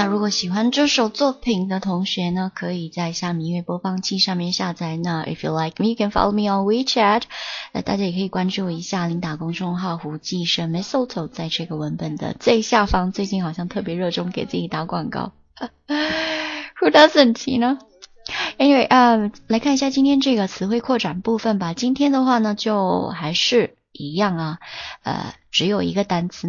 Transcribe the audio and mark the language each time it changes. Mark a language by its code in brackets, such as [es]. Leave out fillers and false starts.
[zh] 喜欢这首作品的同学呢，可以在虾米音乐播放器上面下载。 [en] 那 If you like me, you can follow me on WeChat. [zh] 那大家也可以关注一下琳达公众号胡寄生 Mesoto， 在这个文本的最下方，最近好像特别热衷给自己打广告。 [en] Who doesn't, you know? Anyway, [zh] 来看一下今天这个词汇扩展部分吧。今天的话呢，就还是一样啊，只有一个单词。